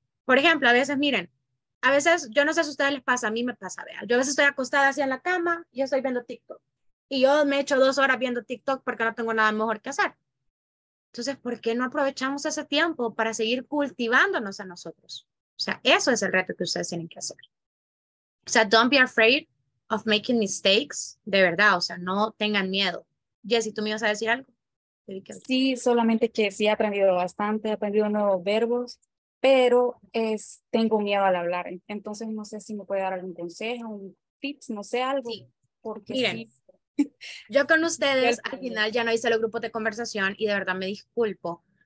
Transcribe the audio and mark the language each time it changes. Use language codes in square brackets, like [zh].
[es] Por ejemplo, a veces, miren, a veces, yo no sé si a ustedes les pasa, a mí me pasa, vean. Yo a veces estoy acostada así en la cama y estoy viendo TikTok. Y yo me echo 2 horas viendo TikTok porque no tengo nada mejor que hacer. Entonces, ¿por qué no aprovechamos ese tiempo para seguir cultivándonos a nosotros? O sea, eso es el reto que ustedes tienen que hacer. O sea, [en] don't be afraid of making mistakes. [es] De verdad, o sea, no tengan miedo. Jessy, ¿tú me ibas a decir algo? Sí, solamente que sí he aprendido bastante. He aprendido nuevos verbos, pero tengo miedo al hablar. Entonces, no sé si me puede dar algún consejo, un tips, no sé, algo. Sí. Porque miren, sí. Yo con ustedes al final ya no hice los grupos de conversación y de verdad me disculpo.